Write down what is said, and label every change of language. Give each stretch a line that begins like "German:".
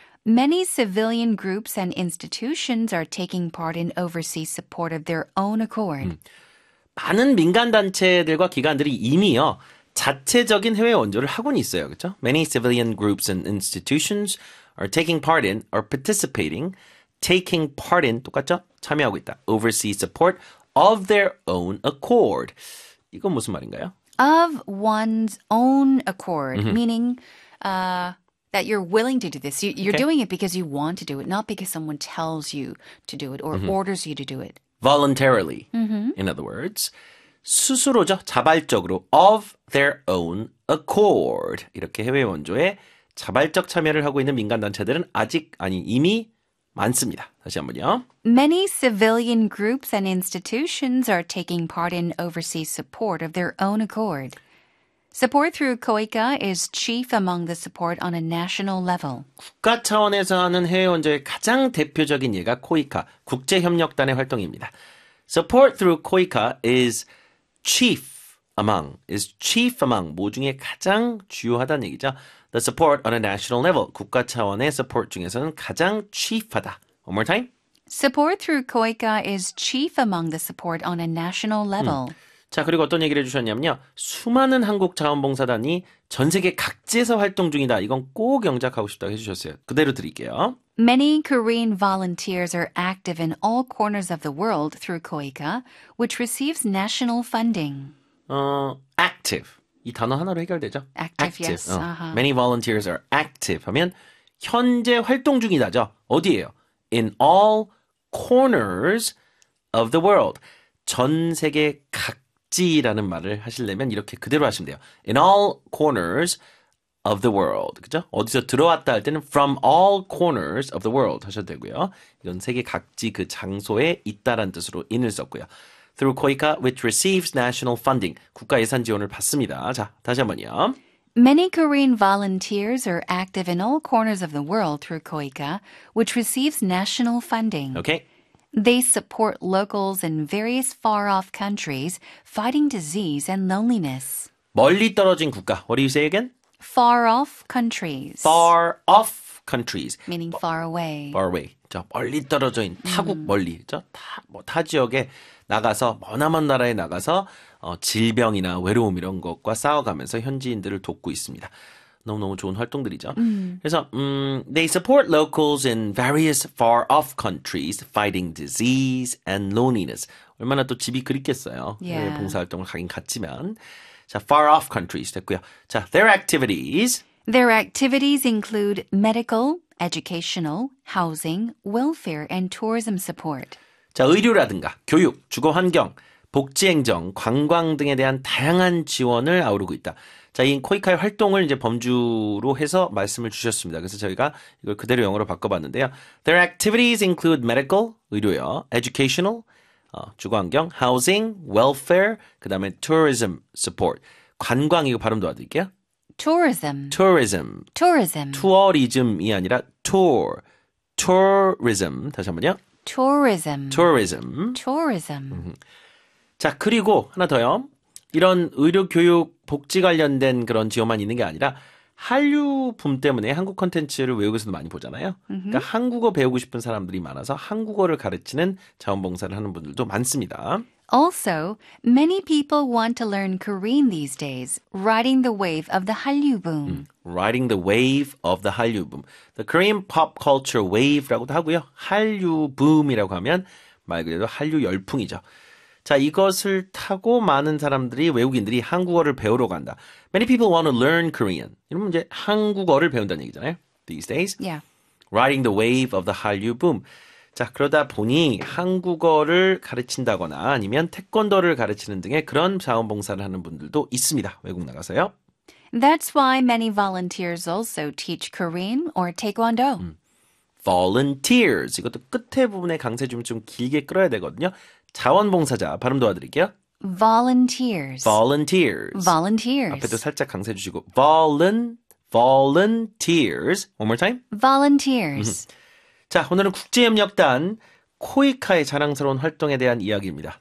English: Many civilian groups and institutions are taking part in overseas support of their own accord.
Korean: 많은 민간 단체들과 기관들이 이미요. 자체적인 해외 원조를 하고는 있어요. 그렇죠?
English: Many civilian groups and institutions are taking part in or participating, taking part in
Korean: 똑같죠? 참여하고 있다.
English: Overseas support of their own accord.
Korean: 이건 무슨 말인가요?
English: Of one's own accord, mm-hmm. meaning that you're willing to do this. You're okay. doing it because you want to do it, not because someone tells you to do it or mm-hmm. orders you to do it. Voluntarily. Mm-hmm. In other words,
Korean: 스스로죠. 자발적으로
English: of their own accord.
Korean: 이렇게 해외 원조에 자발적 참여를 하고 있는 민간 단체들은 아직 아니 이미 많습니다. 다시 한번요.
English: Many civilian groups and institutions are taking part in overseas support of their own accord. Support through COICA is chief among the support on a national level.
Korean: 국가 차원에서 하는 해외 원조의 가장 대표적인 예가 COICA, 국제 협력단의 활동입니다.
English: Support through COICA is chief among, is chief among,
Korean: 뭐 중에 가장 주요하다는 얘기죠.
English: The support on a national level,
Korean: 국가 차원의
English: support
Korean: 중에서는 가장
English: chief하다. One more time. Support through COICA is chief among the support on a national level.
Korean: 자, 그리고 어떤 얘기를 해주셨냐면요. 수많은 한국 자원봉사단이 전 세계 각지에서 활동 중이다. 이건 꼭 영작하고 싶다고 해주셨어요. 그대로 드릴게요.
English: Many Korean volunteers are active in all corners of the world through COICA, which receives national funding. Active.
Korean: 이 단어 하나로 해결되죠?
English: Active, yes. Uh-huh. Many volunteers are active
Korean: 하면 현재 활동 중이다죠. 어디예요?
English: In all corners of the world.
Korean: 전 세계 각지라는 말을 하시려면 이렇게 그대로 하시면 돼요.
English: In all corners of the world.
Korean: 그죠? 어디서 들어왔다 할 때는
English: from all corners of the world
Korean: 하셔도 되고요. 이건 세계 각지 그 장소에 있다라는 뜻으로 in을 썼고요.
English: Through COICA, which receives national funding.
Korean: 국가 예산 지원을 받습니다. 자, 다시 한번요.
English: Many Korean volunteers are active in all corners of the world through COICA, which receives national funding. Okay. They support locals in various far-off countries fighting disease and loneliness.
Korean: 멀리 떨어진 국가.
English: What do you say again? Far-off countries. Far-off countries. Meaning far away. Far away.
Korean: 자, 멀리 떨어져 있는 타국 멀리. 저 타 지역에 나가서 머나먼 나라에 나가서 질병이나 외로움 이런 것과 싸워가면서 현지인들을 돕고 있습니다. 너무너무 좋은 활동들이죠. 그래서
English: they support locals in various far-off countries fighting disease and loneliness.
Korean: 얼마나 또 집이 그립겠어요.
English: Yeah.
Korean: 봉사활동을 하긴 갔지만.
English: 자, far-off countries
Korean: 됐고요.
English: 자, their activities. Their activities include medical, educational, housing, welfare, and tourism support.
Korean: 자, 의료라든가 교육, 주거 환경, 복지 행정, 관광 등에 대한 다양한 지원을 아우르고 있다. 자, 이 코이카의 활동을 이제 범주로 해서 말씀을 주셨습니다. 그래서 저희가 이걸 그대로 영어로 바꿔 봤는데요.
English: Their activities include medical,
Korean: 의료요.
English: educational,
Korean: 주거 환경,
English: housing, welfare, 그다음에 tourism support.
Korean: 관광 이거 발음 도와드릴게요.
English: tourism. tourism. tourism.
Korean: 투어리즘이 아니라
English: tour. tourism.
Korean: 다시 한번요.
English: Tourism. Tourism. Tourism.
Korean: 자, 그리고 하나 더요. 이런 의료, 교육, 복지 관련된 그런 지원만 있는 게 아니라 한류 붐 때문에 한국 콘텐츠를 외국에서도 많이 보잖아요. 그러니까 한국어 배우고 싶은 사람들이 많아서 한국어를 가르치는 자원봉사를 하는 분들도 많습니다.
English: Also, many people want to learn Korean these days, riding the wave of the Hallyu boom. Riding the wave of the Hallyu boom. The Korean pop culture wave
Korean: 라고도 하고요. Hallyu boom이라고 하면 말 그대로 한류 열풍이죠. 자, 이것을 타고 많은 사람들이 외국인들이 한국어를 배우러 간다.
English: Many people want to learn Korean.
Korean: 이러면 이제 한국어를 배운다는 얘기잖아요.
English: These days. Yeah. Riding the wave of the Hallyu boom.
Korean: 자, 그러다 보니 한국어를 가르친다거나 아니면 태권도를 가르치는 등의 그런 자원봉사를 하는 분들도 있습니다. 외국 나가서요.
English: That's why many volunteers also teach Korean or Taekwondo. Volunteers.
Korean: 이것도 끝에 부분에 강세줄을 좀 길게 끌어야 되거든요. 자원봉사자 발음 도와드릴게요.
English: Volunteers. Volunteers. Volunteers.
Korean: 앞에도 살짝 강세 주시고
English: volunteers. One more time. Volunteers.
Korean: 자, 오늘은 국제협력단 코이카의 자랑스러운 활동에 대한 이야기입니다.